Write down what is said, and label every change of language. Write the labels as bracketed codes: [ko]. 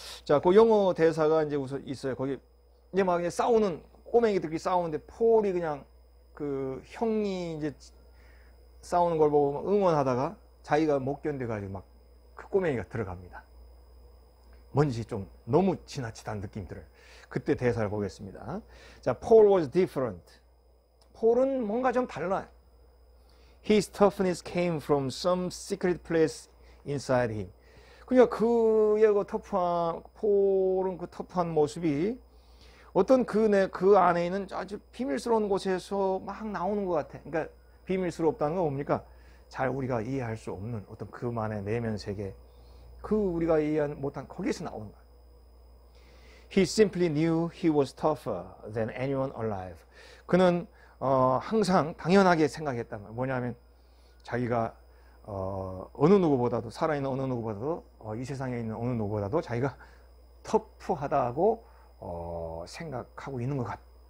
[ko] 자, 그 영어 대사가 이제 우선 있어요. 거기 이제 막 이제 싸우는 꼬맹이들끼리 싸우는데 폴이 그냥 그 형이 이제 싸우는 걸 보고 응원하다가 자기가 못 견뎌가지고 막 그 꼬맹이가 들어갑니다. 뭔지 좀 너무 지나치다는 느낌이 들어요. 그때 대사를 보겠습니다. 자, [en] Paul was different. [ko] 폴은 뭔가 좀 달라요. [en] His toughness came from some secret place inside him. [ko] 그러니까 그의 그 터프한, 폴은 그 터프한 모습이 어떤 그 안에 있는 아주 비밀스러운 곳에서 막 나오는 것 같아. 그러니까 비밀스럽다는 건 뭡니까? 잘 우리가 이해할 수 없는 어떤 그만의 내면 세계. 그 우리가 이해 못한 거기서 나오는 거야. [en] He simply knew he was tougher than anyone alive. [ko] 그는 항상 당연하게 생각했단 말이야. 뭐냐면 자기가 어느 누구보다도 살아있는 어느 누구보다도 이 세상에 있는 어느 누구보다도 자기가 터프하다고 생각하고 있는 것 같아.